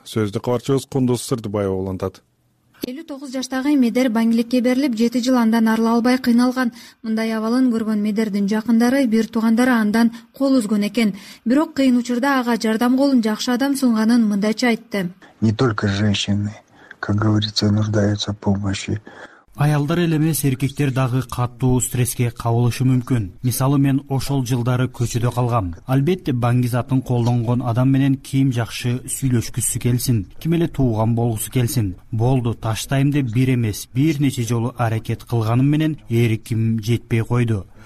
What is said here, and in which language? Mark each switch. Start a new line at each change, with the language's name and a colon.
Kyrgyz: Сөздү кабарчыбыз Кундуз Сырдыбаева улантат. 59 жаштагы Медер баңгилекке берилип 7 жыл андан арыла албай кыйналган. Мындай абалын көргөн Медердин жакындары, бир туугандары андан кол үзгөн экен. Бирок кыйын учурда ага жардам колун жакшы адам сунганын мындайча айтты.
Russian: Не только женщины, как говорится, нуждаются в помощи.
Kyrgyz: Аялдар эле эмес, эркектер дагы катуу стресске кабылышы мүмкүн. Мисалы, мен ошол жылдары көчөдө калгам. Албетте, баңгизатын колдонгон адам менен ким жакшы сүйлөшкүсү келсин, ким эле тууган болгусу келсин. Болду, таштайм деп бир эмес, бир нече жолу аракет кылганым менен эриким жетпей койду.